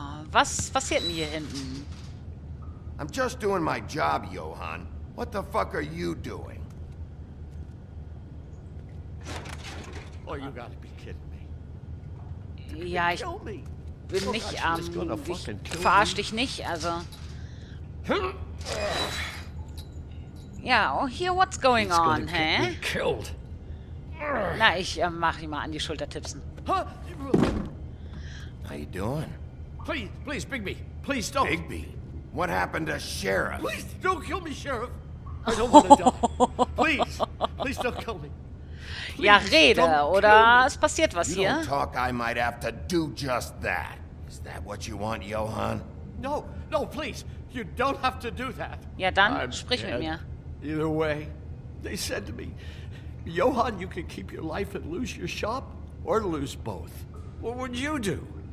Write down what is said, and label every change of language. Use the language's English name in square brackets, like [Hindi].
[German] Was passiert denn hier hinten? [English] I'm just doing my job, Johann. What the fuck are you doing? Oh, you gotta be kidding me. [German] Ja, ich bin nicht am. Verarsch dich nicht, also. Ja, oh, hier, [English] what's going on, [German] hä? Na, ich mach ihn mal an die Schulter tipsen. [English] How you doing? Please, Bigby, please don't. Bigby, what happened to Sheriff? Please don't kill me, Sheriff. I don't want to die. Please don't kill me. Please, [German] ja, rede, oder es passiert was [English] you [German] hier. [English] Don't talk, I might have to do just that. Is that what you want, Johann? No, please. You don't have to do that. [German] Ja, dann sprich mit mir. [English] Either way, they said to me, Johann, you can keep your life and lose your shop, or lose both. What would you do?